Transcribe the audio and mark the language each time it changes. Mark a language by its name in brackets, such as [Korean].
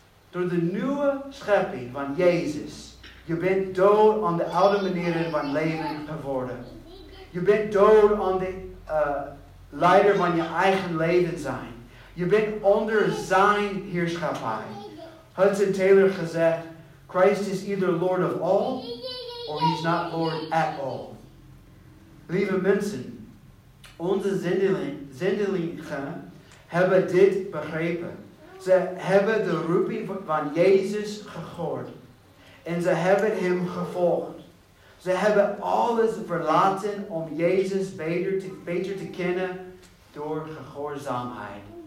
[Dutch] Door de nieuwe schepping van Jezus, je bent dood aan de oude manieren van leven geworden. Je bent dood aan de leider van je eigen leven zijn. Je bent onder zijn heerschappij. [English] Hudson Taylor gezegd, Christ is either Lord of all, or he's not Lord at all. [Dutch] Lieve mensen, onze zendelingen hebben dit begrepen. Ze hebben de roeping van Jezus gehoord. En ze hebben hem gevolgd. Ze hebben alles verlaten om Jezus beter te kennen door gehoorzaamheid.